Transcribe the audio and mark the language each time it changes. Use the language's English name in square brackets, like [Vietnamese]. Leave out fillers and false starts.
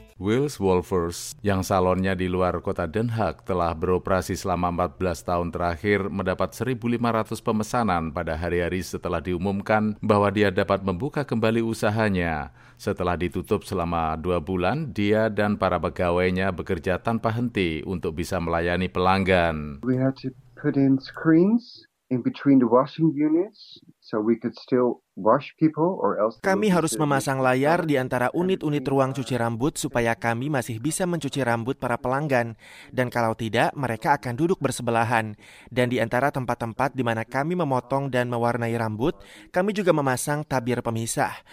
[Indonesian] Wills Wolfers, yang salonnya di luar kota Den Haag telah beroperasi selama 14 tahun terakhir, mendapat 1.500 pemesanan pada hari-hari setelah diumumkan bahwa dia dapat membuka kembali usahanya. Setelah ditutup selama 2 bulan, dia dan para pegawainya bekerja tanpa henti untuk bisa melayani pelanggan. [English] We had to put in screens in between the washing units so we could still wash people or else. [Indonesian] Kami harus memasang layar di antara unit-unit ruang cuci rambut supaya kami masih bisa mencuci rambut para pelanggan, dan kalau tidak mereka akan duduk bersebelahan. Dan di antara tempat-tempat di mana kami memotong dan mewarnai rambut, kami juga memasang tabir pemisah.